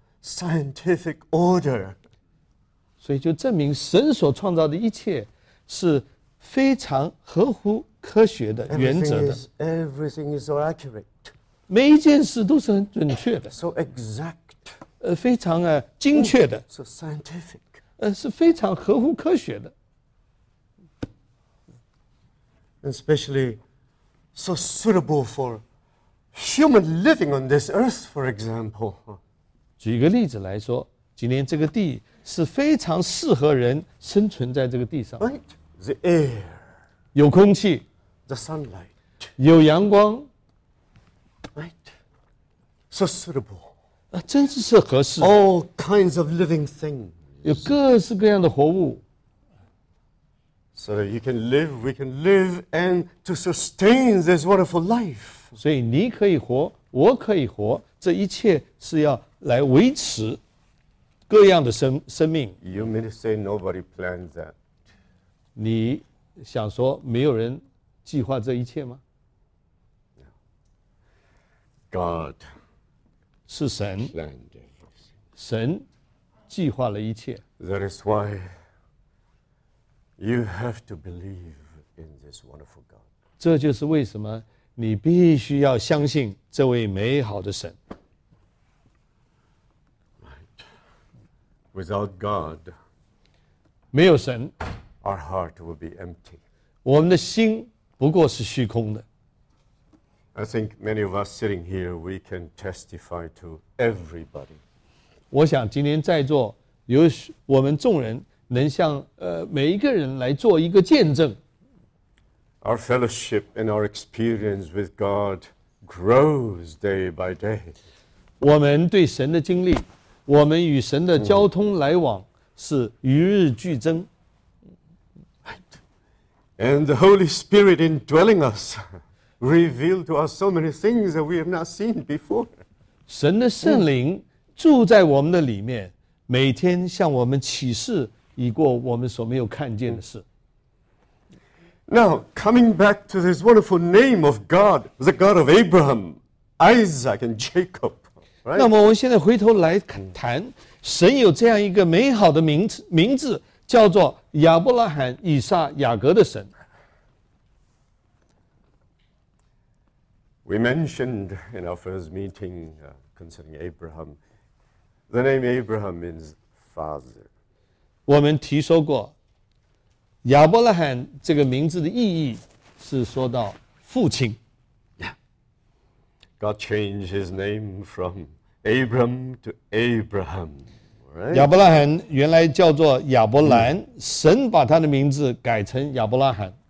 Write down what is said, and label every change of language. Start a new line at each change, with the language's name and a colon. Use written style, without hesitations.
English: Scientific order.
Chinese: 所以就证明神所创造的一切是非常合乎科学的原则的。
English: Everything is so accurate.
Chinese: 每一件事都是很准确的。
English: So exact.
Chinese: 非常精确的。
English: So scientific.
Chinese: 是非常合乎科学的。
English: Especially so suitable for human living on this earth, for example.
Chinese: 举个例子来说，今天这个地是非常适合人生存在这个地上。
English: Right, the air,
Chinese: 有空气
English: ，the sunlight,
Chinese: 有阳光。
English: Right, so suitable,
Chinese: 真是是合适。
English: All kinds of living things,
Chinese: 有各式各样的活物。
English: So that you can live, we can live, and to sustain this wonderful life.
Chinese: 所以你可以活，我可以活，这一切是要。来维持各样的生命。
English: You mean to say nobody plans that?
Chinese: 你想说没有人计划这一切吗？
English: God
Chinese: 是神。
English: Planned.
Chinese: 神计划了一切。
English: That is why you have to believe in this wonderful God.
Chinese: 这就是为什么你必须要相信这位美好的神。
English: Without God,
Chinese: 没有神,
English: our heart will be empty.
Chinese: 我们的心不过是虚空的。
English: I think many of us sitting here, we can testify to everybody.
Chinese: 我想今天在座有我们众人能向每一个人来做一个见证。
English: Our fellowship and our experience with God grows day by day.
Chinese: 我们对神的经历，我们与神的交通来往是与日俱增。
English: And the Holy Spirit indwelling us revealed to us so many things that we have not seen before.
Chinese: 神的圣灵住在我们的里面，每天向我们启示已过我们所没有看见的事。
English: Now, coming back to this wonderful name of God, the God of Abraham, Isaac, and Jacob. Right?
Chinese: 那么我们现在回头来谈，神有这样一个美好的名字叫做亚伯拉罕、以撒、雅各的神。
English: We mentioned in our first meeting concerning Abraham, the name Abraham means father.
Chinese: 我们提说过亚伯拉罕这个名字的意义是说到父亲。
English: God changed his name from Abram to Abraham.
Chinese: 亚伯拉罕原来叫做亚伯兰，神把他的名字改成亚伯拉罕。